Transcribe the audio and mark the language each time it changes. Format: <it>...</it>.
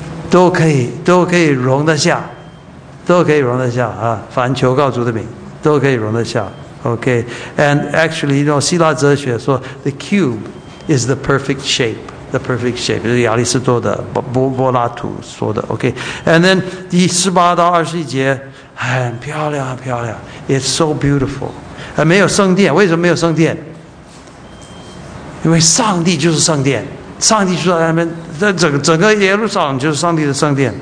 <zh>都可以容得下，都可以容得下啊！凡求告主的名，都可以容得下。</zh> <en>Okay, and actually, you know,</en> <zh>希腊哲学说</zh> <en>the cube is the perfect shape, the perfect shape.</en> <zh>就是亚里士多的柏拉图说的。</zh> <en>Okay, and then</en> <zh>第十八到二十一节很漂亮，很漂亮。</zh> <en>It's so beautiful.</en> <zh>没有圣殿，为什么没有圣殿？因为上帝就是圣殿，上帝住在那边，在整个耶路撒冷就是上帝的圣殿。</zh>